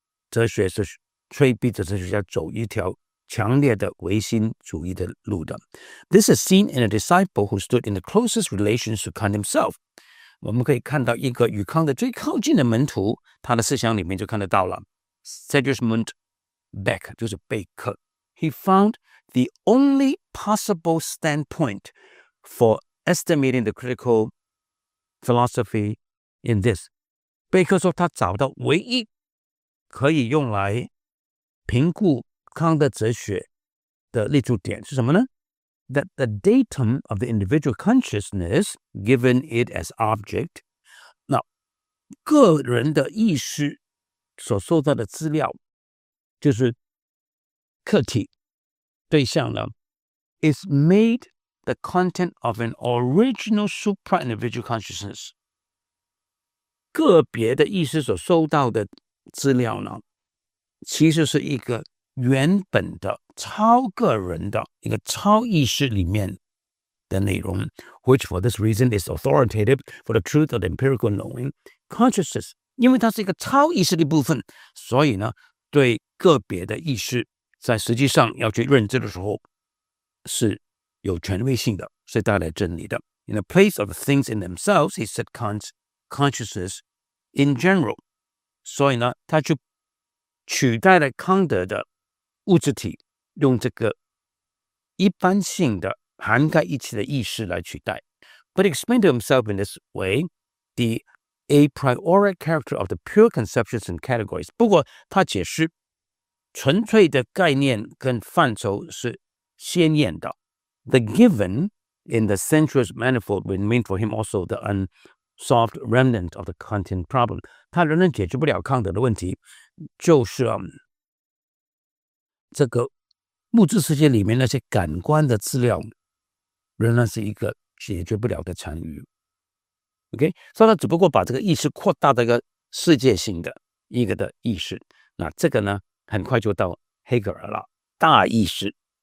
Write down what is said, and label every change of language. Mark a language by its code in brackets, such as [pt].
[zh] 哲学是催逼着哲学家走一条强烈的唯心主义的路的 [en] This is seen in a disciple who stood in the closest relations to Kant himself [zh] 我们可以看到一个与康德最靠近的门徒他的思想里面就看得到了 Sigismund Beck 就是贝克 [en] He found the only possible standpoint for estimating the critical philosophy in this. [zh] 贝克说他找到唯一可以用来评估康德哲学的立足点是什么呢? [en] That the datum of the individual consciousness given it as object, [zh] 那个人的意识所收到的资料就是客体。对象呢 [en] is made the content of an original supra-individual consciousness. [zh] 个别的意识所收到的资料呢其实是一个原本的超个人的一个超意识里面的内容 [en] which for this reason is authoritative for the truth of the empirical knowing consciousness. [zh] 因为它是一个超意识的部分，所以呢，对个别的意识在实际上要去认知的时候是有权威性的，是带来真理的。 [en] In the place of things in themselves, he said Kant's consciousness in general. [zh] 所以呢，他就取代了康德的物质体，用这个一般性的涵盖一切的意识来取代。 [en] But he explained to himself in this way the a priori character of the pure conceptions and categories. [zh] 不过他解释纯粹的概念跟范畴是鲜艳的。 [en] The given in the sensuous manifold would mean for him also the unsolved remnant of the Kantian problem. [zh] 他仍然解决不了康德的问题，就是这个物质世界里面那些感官的资料仍然是一个解决不了的残余。 OK， 所以他只不过把这个意识扩大到一个世界性的一个的意识，那这个呢很快就到黑格尔了，大意识。